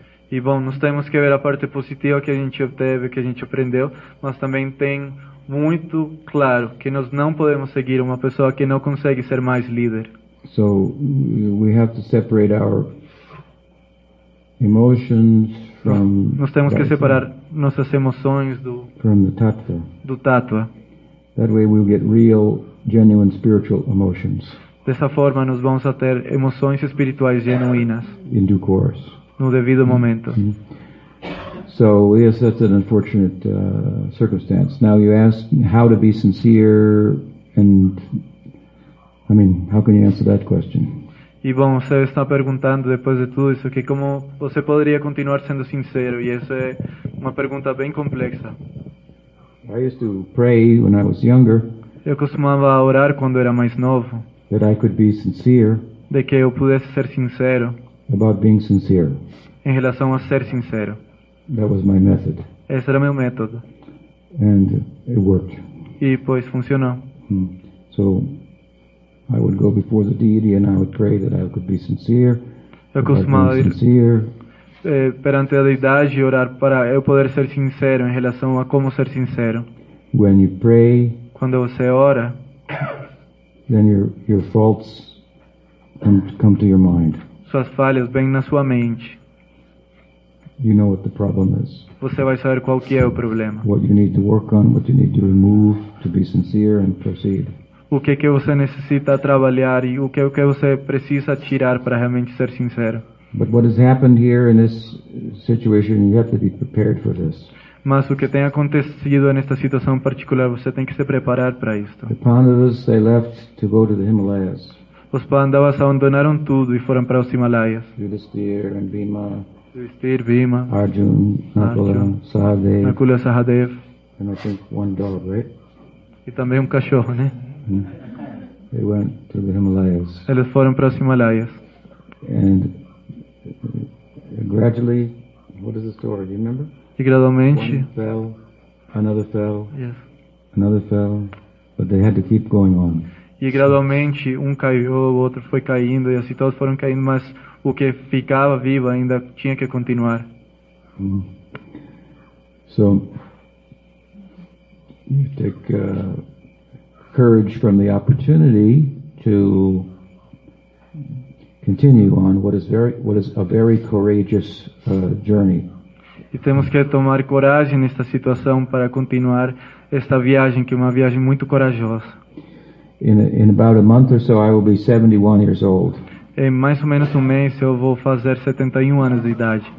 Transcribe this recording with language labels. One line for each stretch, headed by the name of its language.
Portuguese: E bom, nós temos que ver a parte positiva que a gente obteve, que a gente aprendeu, mas também tem muito claro que nós não podemos seguir uma pessoa que não consegue ser mais líder.
English: So we have to separate our emotions from
Portuguese: nós temos que separar nossas emoções do tattva.
English: That way we'll get real, genuine spiritual emotions.
Portuguese: Dessa forma nós vamos a ter emoções espirituais genuínas.
English: In due course.
Portuguese: No devido momento. Mm-hmm.
English: So yes, that's an unfortunate circumstance. Now you ask how to be sincere, and I mean, how can you answer that question?
Portuguese: E bom, você está perguntando depois de tudo isso que como você poderia continuar sendo sincero, e essa é uma pergunta bem complexa.
English: I used to pray when I was younger.
Portuguese: Eu costumava orar quando era mais novo.
English: That I could be sincere.
Portuguese: De que eu pudesse ser sincero.
English: About being sincere.
Portuguese: Em relação a ser sincero.
English: That was my method.
Portuguese: Esse era meu método.
English: And it worked.
Portuguese: E pois funcionou. Hmm.
English: So I would go before the deity and I would pray that I could be sincere.
Portuguese: Eu costumava ir perante a deidade e orar para eu poder ser sincero em relação a como ser sincero.
English: When you pray,
Portuguese: quando você ora,
English: then your faults come to your mind.
Portuguese: Suas falhas vêm na sua mente.
English: You know what the problem is.
Portuguese: Você vai saber qual que é o problema.
English: What you need to work on, what you need to remove to be sincere and proceed.
Portuguese: O que você necessita trabalhar e o que você precisa tirar para realmente ser sincero.
English: But what has happened here in this situation, you have to be prepared for this.
Portuguese: Mas o que tem acontecido nesta situação particular, você tem que se preparar para isto.
English: The Pandavas, they left to go to the Himalayas.
Portuguese: Os Pandavas abandonaram tudo e foram para os Himalayas.
English: Yudhishthira and Bhima.
Portuguese: Yudhishthira, Bhima.
English: Arjuna, Nakula, Sahadev.
Portuguese: Nakula, Sahadev.
English: And I think one dog, right?
Portuguese: E também cachorro, né?
English: They went to the Himalayas.
Portuguese: Eles foram para os Himalayas.
English: And gradually, what is the story? Do you remember?
Portuguese: E gradualmente.
English: One fell, another fell. Yes. Another fell, but they had to keep going on.
Portuguese: E gradualmente um caiu, o outro foi caindo e assim todos foram caindo, mas o que ficava vivo ainda tinha que continuar. Mm-hmm.
English: So you take courage from the opportunity to continue on what is a very courageous journey.
Portuguese: E temos que tomar coragem nesta situação para continuar esta viagem, que é uma viagem muito corajosa.
English: In about a month or so, I will be 71 years old.
Portuguese: Em mais ou menos mês, eu vou fazer 71 anos de idade.